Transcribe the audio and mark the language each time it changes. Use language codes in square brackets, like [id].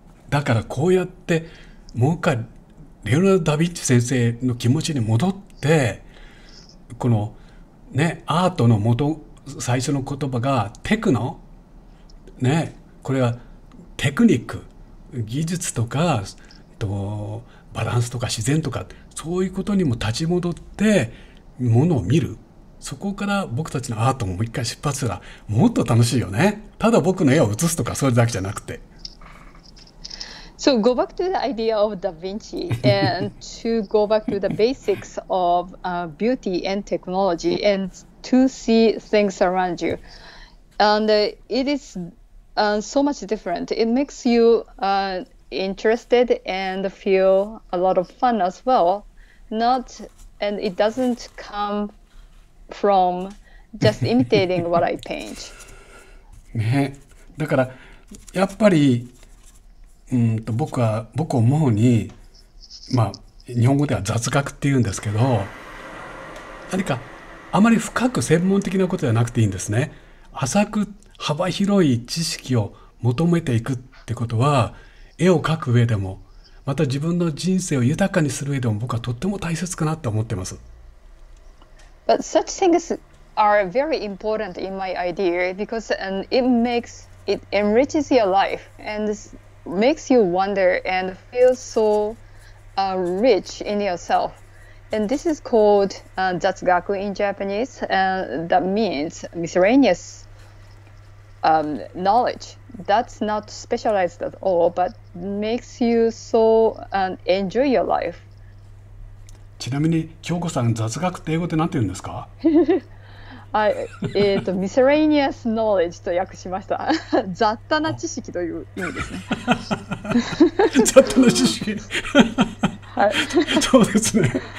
[ja] だからこうやってもう一回レオナルド・ダ・ヴィンチ先生の気持ちに戻って、このね、アートの元、最初の言葉がテクノ、ね、これはテクニック、技術とかとバランスとか自然とか、そういうことにも立ち戻ってものを見る、そこから僕たちのアートももう一回出発すらもっと楽しいよね。ただ僕の絵を写すとかそれだけじゃなくて。 [en] So go back to the idea of Da Vinci and to go back to the basics of beauty and technology and to see things around you. And it is so much different. It makes you interested and feel a lot of fun as well. Not and it doesn't come from just imitating what I paint. [ja] ね、だからやっぱり、僕思うに、まあ日本語では雑学っていうんですけど、何かあまり深く専門的なことではなくていいんですね。浅く幅広い知識を求めていくってことは、絵を描く上でも、また自分の人生を豊かにする上でも、僕はとっても大切かなって思ってます。 [en] But such things are very important in my idea because it enriches your life and makes you wonder and feel so rich in yourself. And this is called Zatsugaku in Japanese, that means miscellaneous knowledge. That's not specialized at all, but makes you so enjoy your life. [ja] ちなみに京子さん、雑学って英語って何て言うんですか？ [en] Miscellaneous knowledge [ja] と訳しました。雑多な知識という意味ですね。雑多な知識。はい。そうですね。